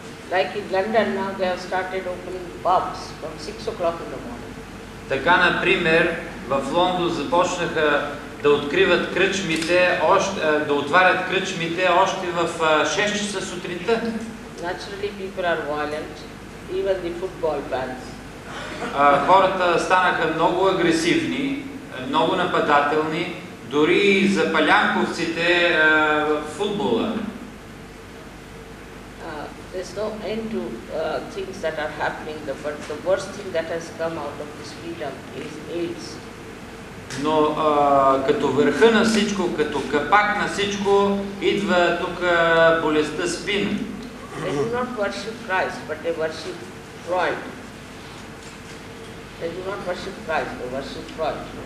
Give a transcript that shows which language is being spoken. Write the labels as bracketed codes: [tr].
[en] Like in London now they have started opening pubs from 6 o'clock in the morning. [bg] Така например в Лондон започнаха да откриват кръчмите, да отварят кръчмите още в 6 часа сутринта. [en] Naturally people are violent, even the football fans. [bg] Хората станаха много агресивни, много нападателни, дори и запалянковците в футбола. [en] There's no end to things that are happening. The worst thing that has come out of this freedom is AIDS. [bg] Но като върха на всичко, като капак на всичко, идва тук болестта СПИН. [en] They do not worship Christ, but they worship Freud. They do not worship Christ, they worship Freud.